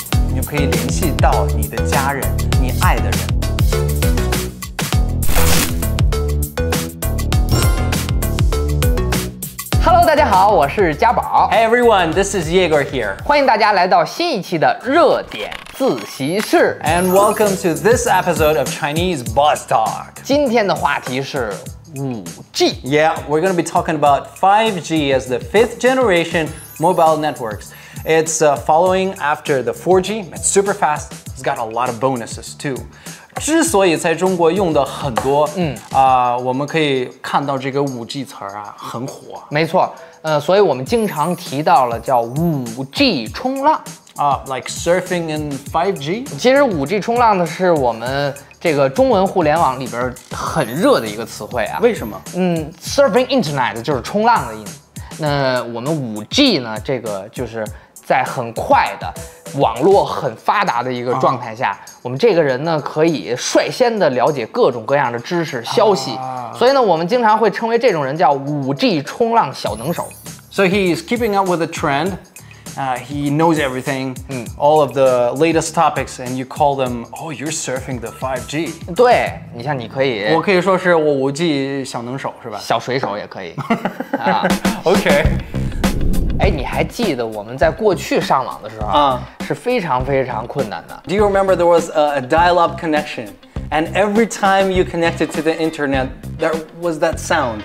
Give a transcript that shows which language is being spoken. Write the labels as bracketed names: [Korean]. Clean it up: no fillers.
[Chinese] 你就可以联系到你的家人，你爱的人。大家好，我是嘉宝。 [English] Hey everyone, this is Yegor here. [Chinese] 欢迎大家来到新一期的热点自习室。 [English] And welcome to this episode of Chinese Buzztalk. [Chinese] 今天的话题是5G. [English] Yeah, we're going to be talking about 5G as the fifth generation mobile networks. It's following after the 4G. It's super fast. It's got a lot of bonuses too. [Chinese] 之所以在中国用的很多我们可以看到这个 5G 词儿啊很火。没错，所以我们经常提到了叫 5G 冲浪。 [English] Like surfing in 5G? [Chinese] 其实 5G 冲浪的是我们这个中文互联网里边很热的一个词汇啊。为什么？ [English] surfing internet [Chinese] 就是冲浪的意思。那我们 5G 呢，这个就是在很快的网络很发达的一个状态下，我们这个人呢可以率先的了解各种各样的知识消息，所以呢我们经常会称为这种人叫 5G 冲浪小能手。 [English] So he is keeping up with the trend. He knows everything, all of the latest topics, and you call them, oh, you're surfing the 5G. [Chinese] 对，你像你可以，我可以说是我 5G 小能手是吧？小水手也可以。 [English] OK。 [Chinese] 哎，你还记得我们在过去上网的时候啊，是非常非常困难的。 [English] Do you remember there was a dial-up connection, and every time you connected to the internet, there was that sound?